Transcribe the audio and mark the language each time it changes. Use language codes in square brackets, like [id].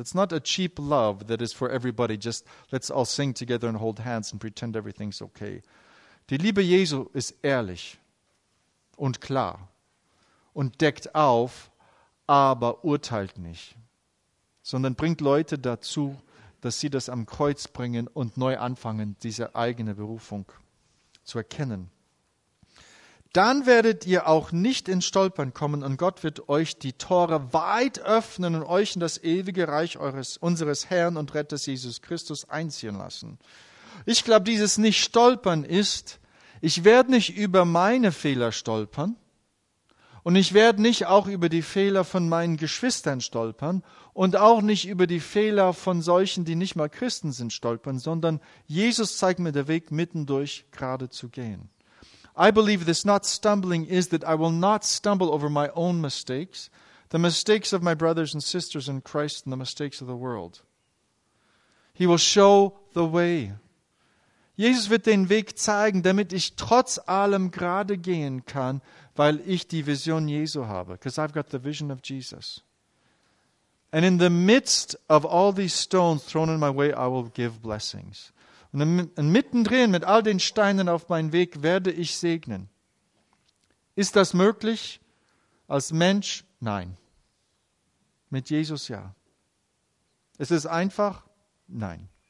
[en] It's not a cheap love that is for everybody. Just let's all sing together and hold hands and pretend everything's okay. [de] Die Liebe Jesu ist ehrlich und klar und deckt auf, aber urteilt nicht, sondern bringt Leute dazu, dass sie das am Kreuz bringen und neu anfangen, diese eigene Berufung zu erkennen. Dann werdet ihr auch nicht in Stolpern kommen und Gott wird euch die Tore weit öffnen und euch in das ewige Reich unseres Herrn und Retters Jesus Christus einziehen lassen. Ich glaube, dieses Nicht-Stolpern ist, ich werde nicht über meine Fehler stolpern und ich werde nicht auch über die Fehler von meinen Geschwistern stolpern und auch nicht über die Fehler von solchen, die nicht mal Christen sind, stolpern, sondern Jesus zeigt mir den Weg, mittendurch gerade zu gehen. [en] I believe this not stumbling is that I will not stumble over my own mistakes, the mistakes of my brothers and sisters in Christ and the mistakes of the world. He will show the way. [de] Jesus wird den Weg zeigen, damit ich trotz allem gerade gehen kann, weil ich die Vision Jesu habe. [en] Because I've got the vision of Jesus. And in the midst of all these stones thrown in my way, I will give blessings. [de] Und mittendrin mit all den Steinen auf meinem Weg werde ich segnen. Ist das möglich? Als Mensch? Nein. Mit Jesus ja. Ist es einfach? Nein.